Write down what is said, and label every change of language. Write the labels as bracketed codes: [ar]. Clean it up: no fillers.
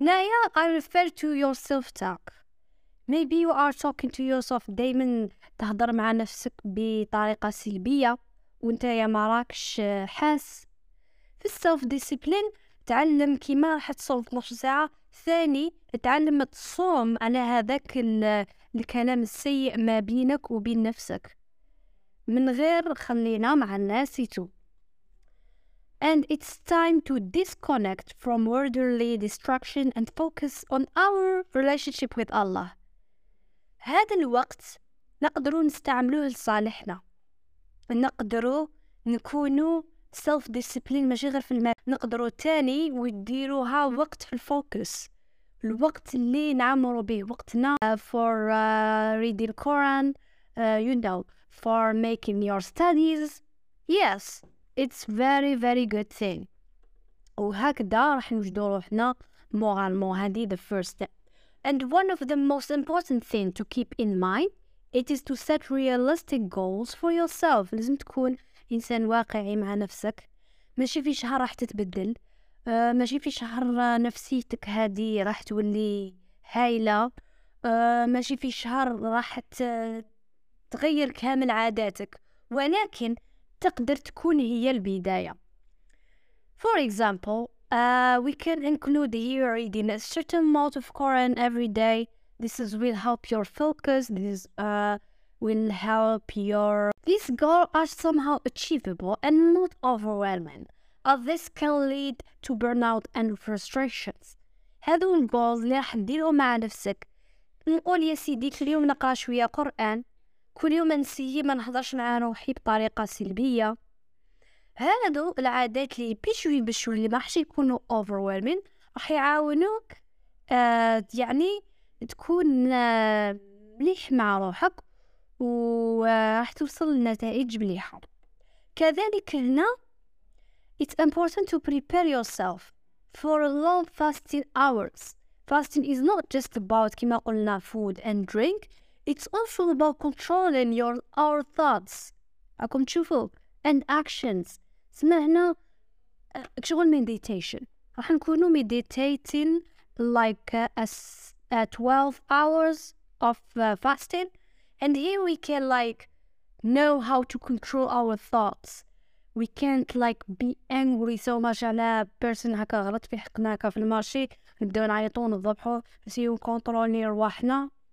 [en] هنايا I refer to your self talk. Maybe you are talking to yourself، [ar] دائما تهضر مع نفسك بطريقه سلبيه وانت يا ما راكش حاس. في self discipline تعلم كيما راح تصوم 12 ساعة، ثاني تعلم تصوم على هذاك الكلام السيء ما بينك وبين نفسك من غير خلينا مع الناس يتو. [en] And it's time to disconnect from worldly distraction and focus on our relationship with Allah. [ar] هذا الوقت نقدروا نستعملوه لصالحنا، نقدروا نكونوا self discipline ماشي غير في المال، نقدروا تاني وديروها وقت في الفوكس، الوقت اللي نعمرو به وقتنا [en] for reading Quran, you know, for making your studies. Yes, it's very very good thing. [ar] وهكذا راح نوجدوا روحنا مورالمون، هذه [en] the first step. And one of the most important thing to keep in mind, it is to set realistic goals for yourself. [ar] لازم تكون إنسان واقعي مع نفسك، ماشي في شهر راح تتبدل، ماشي في شهر نفسيتك هذه راح تولي هايلة، ماشي في شهر راح تغير كامل عاداتك، ولكن تقدر تكون هي البداية. [en] For example, we can include here reading a certain amount of Quran every day. This is will help your focus. This will help your these goals are somehow achievable and not overwhelming. This can lead to burnout and frustrations. [ar] هذو الجولز اللي راح نديرو مع نفسك، نقول يا سيدي كل يوم نقرا شويه قران، كل يوم نسيي ما نهضرش مع روحي بطريقه سلبيه. هذو العادات اللي بشوي بشوي اللي ما راحش يكونوا overwhelming راح يعاونوك يعني تكون مليح مع روحك وراح توصل لنتائج مليحة. كذلك هنا [en] it's important to prepare yourself for long fasting hours. Fasting is not just about [ar] كما قلنا [en] food and drink, it's also about controlling our thoughts [ar] راكم تشوفوا [en] and actions. [ar] سمع هنا شغل meditation، راح نكونوا [en] meditating like a 12 hours of fasting. And here we can like know how to control our thoughts. We can't like be angry so much [ar] على person هكا غلط في حقنا هكا في المارشي نبداو نعيطو ونضبحو نسيو نكونترولي رواحنا.